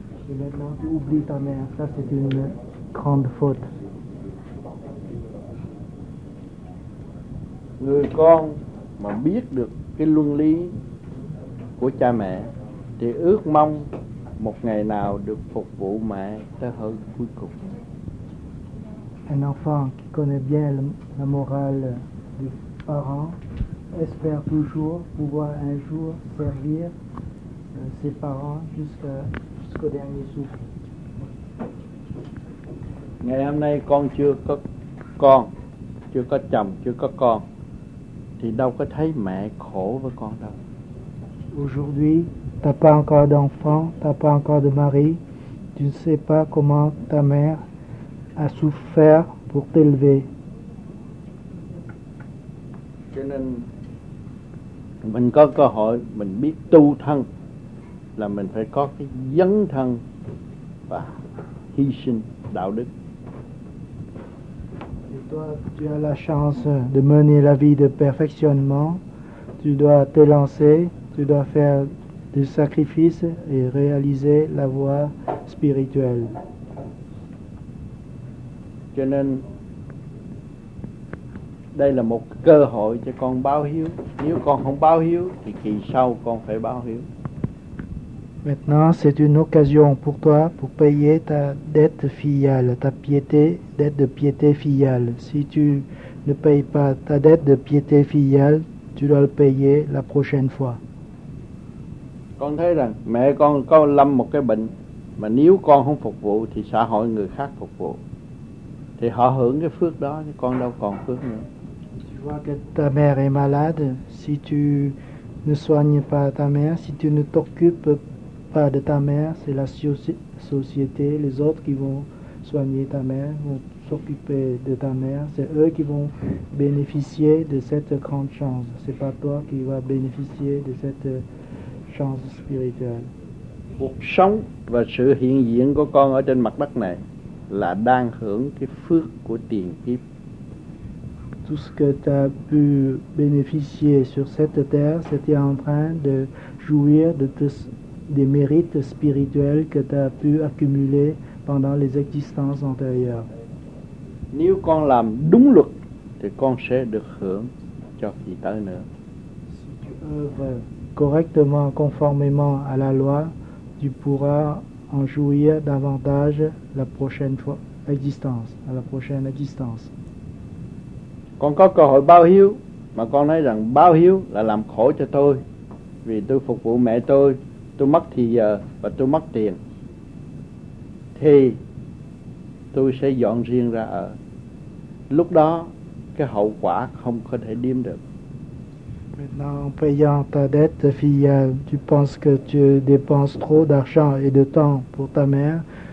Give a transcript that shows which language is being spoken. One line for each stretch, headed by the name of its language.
French: Et maintenant tu oublies ta mère, ça c'est une grande faute.
Vietnamese: Người con mà biết được cái luân lý của cha mẹ thì ước mong một ngày nào được phục vụ mẹ tới hơn cuối cùng.
French: Un enfant qui connaît bien la morale du parent espère toujours pouvoir un jour servir ses parents jusqu'au dernier souffle.
Vietnamese: Ngày hôm nay con chưa có con, chưa có chồng, chưa có con thì đâu có thấy mẹ khổ với con đâu.
French: Aujourd'hui, t'as pas encore d'enfant, t'as pas encore de mari, tu ne sais pas comment ta mère a souffert pour t'élever.
Vietnamese: Cho nên mình có cơ hội mình biết tu thân là mình phải có cái dấn thân và hy sinh đạo đức.
French: Toi, tu as la chance de mener la vie de perfectionnement. Tu dois te lancer, tu dois faire du sacrifice et réaliser la voie spirituelle.
Vietnamese: Cho nên đây là một cơ hội cho con báo hiếu. Nếu con không báo hiếu thì kỳ sau con phải báo hiếu.
French: Maintenant, c'est une occasion pour toi pour payer ta dette filiale, ta piété, dette de piété filiale. Si tu ne payes pas ta dette de piété filiale, tu dois le payer la prochaine fois.
Vietnamese: Con thấy rằng mẹ con có lâm một cái bệnh, mà nếu con không phục vụ thì xã hội người khác phục vụ, thì họ hưởng cái phước đó, chứ con đâu còn phước nữa.
French: Tu vois que ta mère est malade, si tu ne soignes pas ta mère, si tu ne t'occupes pas de ta mère, c'est la société, les autres qui vont soigner ta mère, vont s'occuper de ta mère, c'est eux qui vont bénéficier de cette grande chance. C'est pas toi qui vas bénéficier de cette chance spirituelle.
Vietnamese: Cuộc sống và sự hiện diện của con ở trên mặt đất này là đang hưởng cái phước của tiền kiếp.
French: Tout ce que tu as pu bénéficier sur cette terre, c'était en train de jouir de des mérites spirituels que tu as pu accumuler pendant les existences antérieures.
Vietnamese: Nếu con làm đúng luật thì con sẽ được hưởng cho kỳ tới nữa.
French: Si tu œuvres correctement conformément à la loi, tu pourras en jouir davantage la prochaine fois existence, à la prochaine existence.
Vietnamese: Con có cơ hội báo hiếu mà con nói rằng báo hiếu là làm khổ cho tôi vì tôi phục vụ mẹ tôi. Tôi mất thì giờ và tôi mất tiền. Thì tôi sẽ dọn riêng ra ở. Lúc đó cái hậu quả không có thể đếm được.
French: Maintenant, en payant ta dette filiale, tu penses que tu dépenses trop d'argent et de temps pour ta mère.